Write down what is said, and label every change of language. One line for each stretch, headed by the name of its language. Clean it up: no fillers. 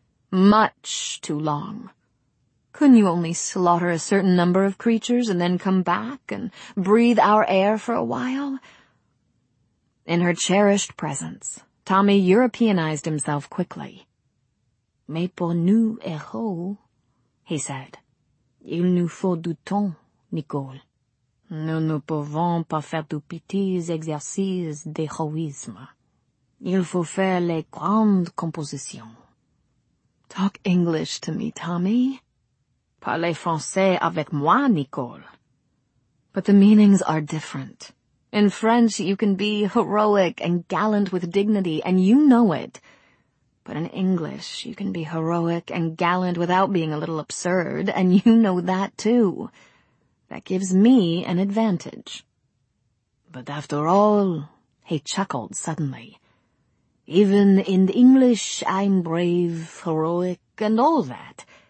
French: Much too long. Couldn't you only slaughter a certain number of creatures and then come back and breathe our air for a while? In her cherished presence, Tommy Europeanized himself quickly. Mais pour nous, héros,
English: he said.
French: Il nous faut du temps, Nicole. Nous ne pouvons pas faire de petits exercices d'héroïsme. Il faut faire les grandes compositions.
English: Talk English to me, Tommy.
French: Parlez français avec moi, Nicole.
English: But the meanings are different. In French, you can be heroic and gallant with dignity, and you know it. But in English, you can be heroic and gallant without being a little absurd, and you know that, too. That gives me an advantage. But after all, he chuckled suddenly, even in English, I'm brave, heroic, and all that.